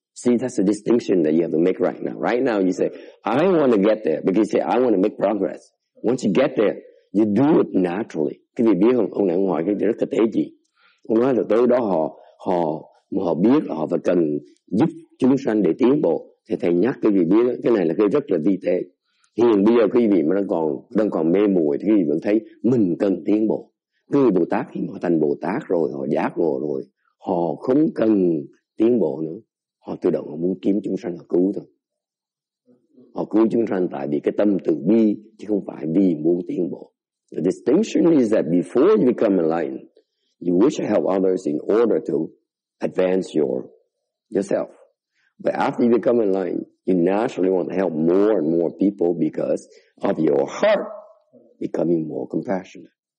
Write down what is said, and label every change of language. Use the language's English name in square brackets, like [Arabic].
[English] See, that's the distinction that you have to make right now. Right now, you say, I want to get there. Because you say, I want to make progress. Once you get there, you do it naturally. [Vietnamese] Các vị biết không? Ông này ông hỏi cái gì rất là tế gì. Ông nói là tới đó họ biết họ phải cần giúp chúng sanh để tiến bộ. Thầy nhắc các vị biết, cái này là cái rất là vi tế. Hiện bây giờ quý vị mà đang còn mê muội thì quý vị vẫn thấy mình cần tiến bộ. Người Bồ Tát khi họ thành Bồ Tát rồi, họ giác ngộ rồi, họ không cần tiến bộ nữa. Họ tự động họ muốn kiếm chúng sanh họ cứu thôi. Họ cứu chúng sanh tại vì cái tâm từ bi chứ không phải vì muốn tiến bộ. [English] The distinction is that before you become enlightened, you wish to help others in order to advance yourself. But after you become enlightened, you naturally want to help more and more people because of your heart becoming more compassionate.